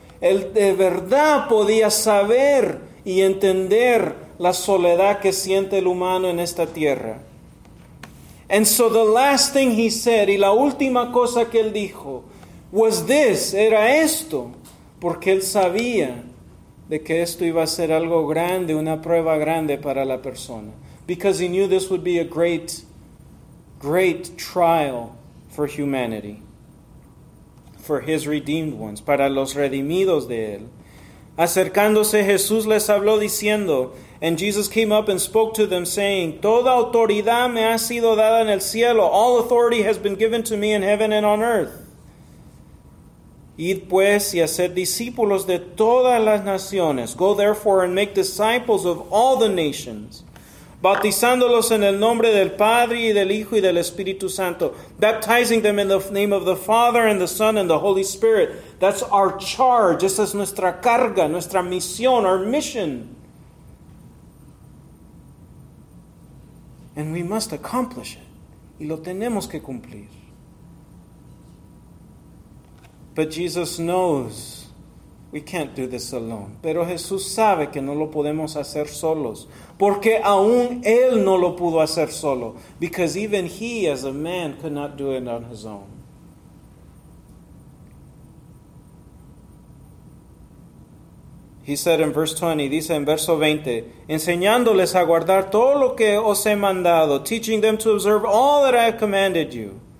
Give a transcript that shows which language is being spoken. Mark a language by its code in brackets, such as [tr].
[es] Él de verdad podía saber y entender la soledad que siente el humano en esta tierra. [en] And so the last thing he said, [es] y la última cosa que él dijo, [en] was this, [es] era esto. Porque él sabía de que esto iba a ser algo grande, una prueba grande para la persona. [en] Because he knew this would be a great, great trial for humanity. for his redeemed ones, [es] para los redimidos de él. Acercándose Jesús les habló diciendo, [en] and Jesus came up and spoke to them saying, [es] toda autoridad me ha sido dada en el cielo. [en] All authority has been given to me in heaven and on earth. [es] Id pues y haced discípulos de todas las naciones. [en] Go therefore and make disciples of all the nations, [es] bautizándolos en el nombre del Padre y del Hijo y del Espíritu Santo, [en] baptizing them in the name of the Father and the Son and the Holy Spirit. That's our charge. [es] Esa es nuestra carga, nuestra misión, [en] our mission. And we must accomplish it. [es] Y lo tenemos que cumplir. [en] But Jesus knows we can't do this alone. [es] Pero Jesús sabe que no lo podemos hacer solos. Porque aún Él no lo pudo hacer solo. [en] Because even He, as a man, could not do it on His own. He said in verse 20, [es] dice en verso 20, enseñándoles a guardar todo lo que os he mandado, [en] teaching them to observe all that I have commanded you.